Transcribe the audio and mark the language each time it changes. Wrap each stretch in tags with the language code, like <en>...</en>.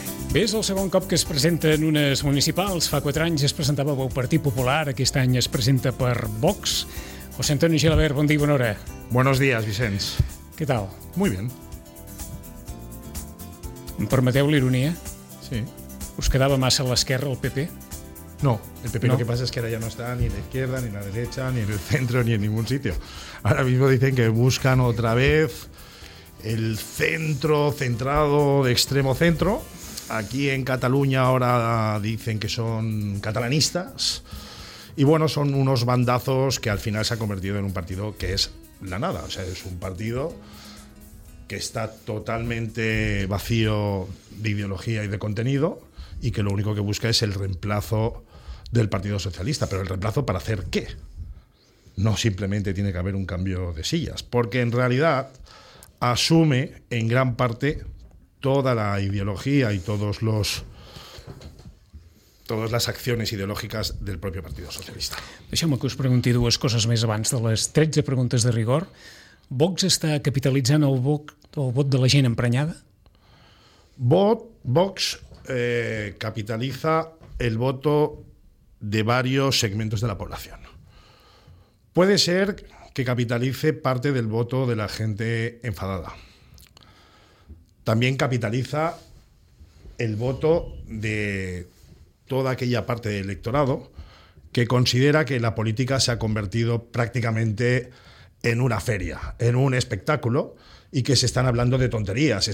<ca>Bé, és el segon cop que es presenta en unes municipals. Fa 4 anys es presentava pel Partit Popular, aquest any es presenta per Vox. José Antonio Gilabert, bon dia i bona hora.</ca> <es>Buenos días, Vicenç.</es> <ca>Què tal?</ca> <es>Muy bien.</es> <ca>Em permeteu l'ironia? Sí. Us quedava massa a l'esquerra, el PP?</ca> <es>No, el PP no. Lo que pasa es que ahora ya no está ni en la izquierda, ni en la derecha, ni en el centro, ni en ningún sitio. Ahora mismo dicen que buscan otra vez el centro centrado de extremo centro. Aquí en Cataluña ahora dicen que son catalanistas. Y bueno, son unos bandazos que al final se ha convertido en un partido que es la nada. O sea, es un partido que está totalmente vacío de ideología y de contenido y que lo único que busca es el reemplazo del Partido Socialista. ¿Pero el reemplazo para hacer qué? No simplemente tiene que haber un cambio de sillas, porque en realidad asume en gran parte toda la ideología y todas las acciones ideológicas del propio Partido Socialista.</es> <ca>Deixeu-me que us pregunti dues coses més abans de les 13 preguntes de rigor. ¿Vox està capitalitzant el vot de la gent emprenyada?</ca> <es>Vox capitaliza el voto de varios segmentos de la población. Puede ser que capitalice parte del voto de la gente enfadada. También capitaliza el voto de toda aquella parte del electorado que considera que la política se ha convertido prácticamente en una feria, en un espectáculo, y que se están hablando de tonterías.</es>